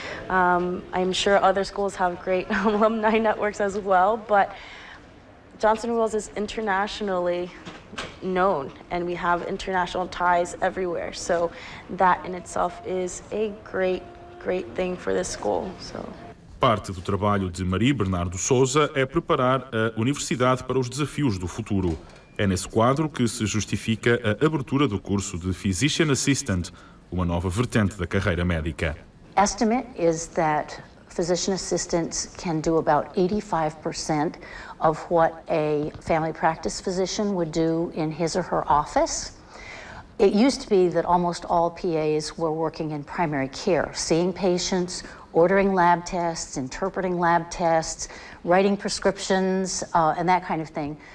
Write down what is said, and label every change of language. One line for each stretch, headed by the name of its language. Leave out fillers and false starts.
English: I'm sure other schools have great alumni networks as well, but Johnson & Wales is internationally known, and we have international ties everywhere. So that in itself is a great, great thing for this school. So.
Portuguese: Parte do trabalho de Maria Bernardo Souza é preparar a universidade para os desafios do futuro. É nesse quadro que se justifica a abertura do curso de Physician Assistant, uma nova vertente da carreira médica.
English: Estimate is that physician assistants can do about 85% of what a family practice physician would do in his or her office. It used to be that almost all PAs were working in primary care, seeing patients, ordering lab tests, interpreting lab tests, writing prescriptions, and that kind of thing.